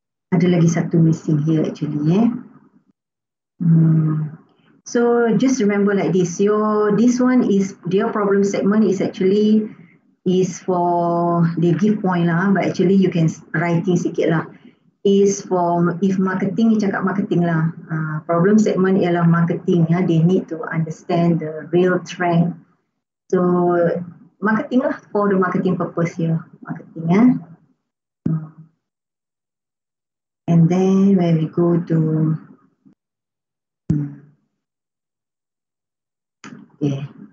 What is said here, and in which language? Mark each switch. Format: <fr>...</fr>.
<ms>Ada lagi satu</ms> <en>missing here actually.</en> <ms>Eh?</ms> <en>So just remember like this. This one is their problem segment is actually is for, they give point lah, but actually you can writing sikit lah. Is for, if marketing,</en> <ms>cakap marketing lah. Problem segment ialah marketing ya.</ms> <en>They need to understand the real trend. So, marketing lah, for the marketing purpose here. Marketing ya. And then, when we go to, yeah.</en>